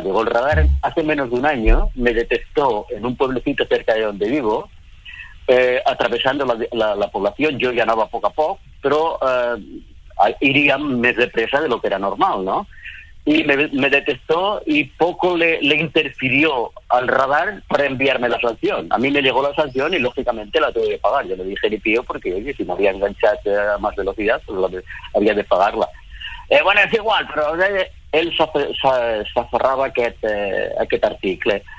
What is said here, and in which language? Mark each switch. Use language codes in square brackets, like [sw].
[es] Digo, el radar hace menos de un año me detectó en un pueblecito cerca de donde vivo, atravesando la població. [ca] Jo ja anava a poc, però iria més de pressa de lo que era normal, no? [es] Y me detectó y poco le interfirió al radar para enviarme la sanción. A mí me llegó la sanción y lógicamente la tuve que pagar. Yo le dije ni pío porque, oye, si me había enganchado a más velocidad, pues había de pagarla. [ca] És igual, però ell s'aferrava aquest article.